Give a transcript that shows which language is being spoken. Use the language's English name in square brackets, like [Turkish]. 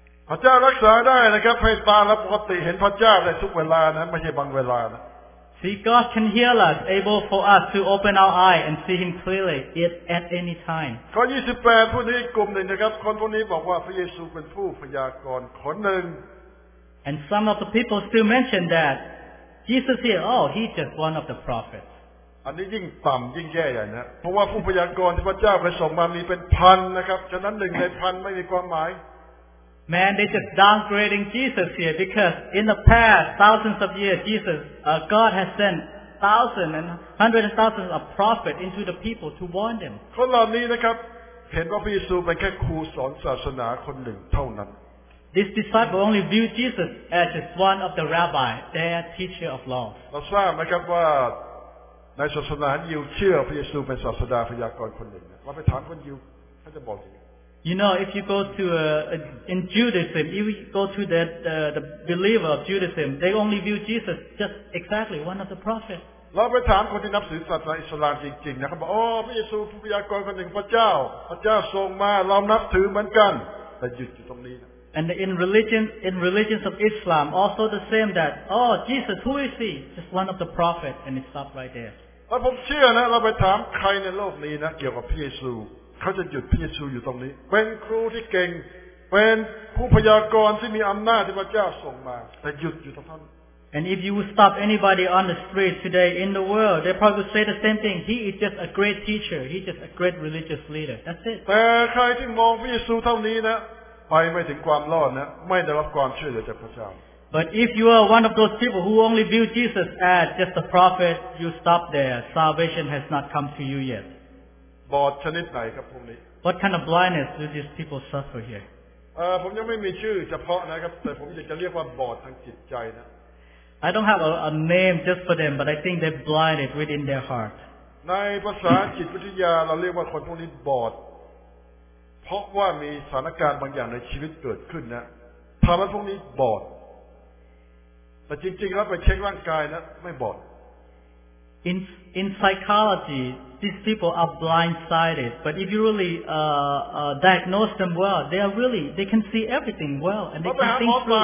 [Thai] พระเจ้ารักษาได้นะครับให้ตาเราปกติเห็นพระเจ้าได้ทุกเวลานะไม่ใช่บางเวลานะ [English] See God can heal us, able for us to open our eye and see Him clearly yet at any time. [Thai] ข้อ28พวกนี้กลุ่มหนึ่งนะครับคนพวกนี้บอกว่าพระเยซูเป็นผู้พยากรณ์คนหนึ่ง [English] And some of the people still mention that Jesus here, oh, he's just one of the prophets. [Thai] อันนี้ยิ่งต่ำยิ่งแย่ใหญ่นะเพราะว่าผู้พยากรณ์ที่พระเจ้าเคยส่งมามีเป็นพันนะครับฉะนั้นหนึ่งในพันไม่มีความหมาย [English] Man, they're just downgrading Jesus here because in the past thousands of years, Jesus, God has sent thousands and hundreds of thousands of prophets into the people to warn them. [Thai] คนเหล่านี้นะครับเห็นว่าพระเยซูเป็นแค่ครูสอนศาสนาคนหนึ่งเท่านั้น [English] These disciples only view Jesus as just one of the rabbi, their teacher of law. [Thai] เราทราบไหมครับว่าในศาสนายิวเชื่อพระเยซูเป็นศาสดาพยากรณ์คนหนึ่งว่าไปถามคนยิวเขาจะบอก [English] You know, if you go to in Judaism, if you go to that the believer of Judaism, they only view Jesus just exactly one of the prophets. [Thai] เราไปถามคนที่นับถือศาสนาอิสลามจริงๆนะครับบอกโอ้พระเยซูผู้พยากรณ์คนหนึ่งพระเจ้าทรงมาเรานับถือเหมือนกันแต่หยุดอยู่ตรงนี้ [English] And in religions of Islam, also the same that oh Jesus, who is he? Just one of the prophets, and it stops right there. [Thai] เราผมเชื่อนะเราไปถามใครในโลกนี้นะเกี่ยวกับพระเยซูเขาจะหยุดพระเยซูอยู่ตรงนี้เป็นครูที่เก่งเป็นผู้พยากรณ์ที่มีอำนาจที่พระเจ้าส่งมาแต่หยุดอยู่ตรงนั้น [English] And if you stop anybody on the street today in the world they probably say the same thing he is just a great teacher he is just a great religious leader that's it [Thai] แต่ใครที่มองพระเยซูเท่านี้นะไปไม่ถึงความรอดนะไม่ได้รับความช่วยเหลือจากพระเจ้า [English] But if you are one of those people who only view Jesus as just a prophet you stop there salvation has not come to you yet [Thai] บอดชนิดไหนครับพวกนี้ [English] What kind of blindness do these people suffer here? [Thai] ผมยังไม่มีชื่อเฉพาะนะครับแต่ผมอยากจะเรียกว่าบอดทางจิตใจนะ [English] I don't have a name just for them but I think they're blinded within their heart [Thai] ในภาษาจิตวิทยาเราเรียกว่าคนพวกนี้บอดเพราะว่ามีสถานการณ์บางอย่างในชีวิตเกิดขึ้นนะทำให้พวกนี้บอดแต่จริงๆแล้วไปเช็คร่างกายนะไม่บอด [English] In psychologyThese people are blindsided, but if you really diagnose them well, they are really they can see everything well and they can think